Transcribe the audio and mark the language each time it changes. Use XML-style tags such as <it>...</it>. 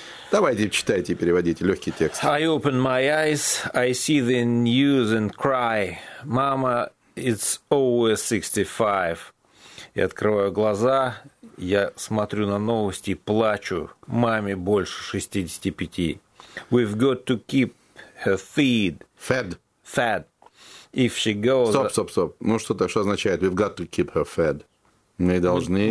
<ru>Давайте читайте, переводите легкий текст.</ru> <en>I open my eyes, I see the news and cry. Mama, it's over 65.</en> <ru>Я открываю глаза, я смотрю на новости и плачу. Маме больше 65.</ru> <en>We've got to keep her feed. Fed. Fed. If she goes...</en> <ru>Стоп. Ну что-то, что означает</ru> <en>we've got to keep her fed?</en> <ru>Мы должны...</ru>